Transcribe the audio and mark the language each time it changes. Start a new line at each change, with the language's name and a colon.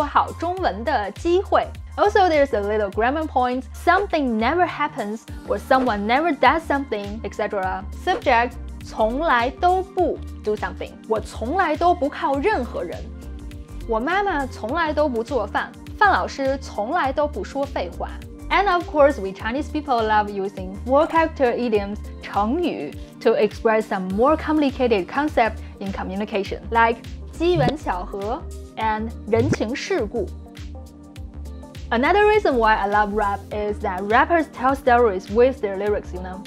Chinese: 范老师要出发音课了，大家不要错过说好中文的机会。
English: Also, there's a little grammar point. Something never happens or someone never does something, etc. Subject,
Chinese: 从来都不
English: do something.
Chinese: 我从来都不靠任何人。我妈妈从来都不做饭。范老师从来都不说废话。
English: And of course, we Chinese people love using four-character idioms, 成语, to express some more complicated concept in communication, like 机缘巧合 and 人情世故. Another reason why I love rap is that rappers tell stories with their lyrics, you know?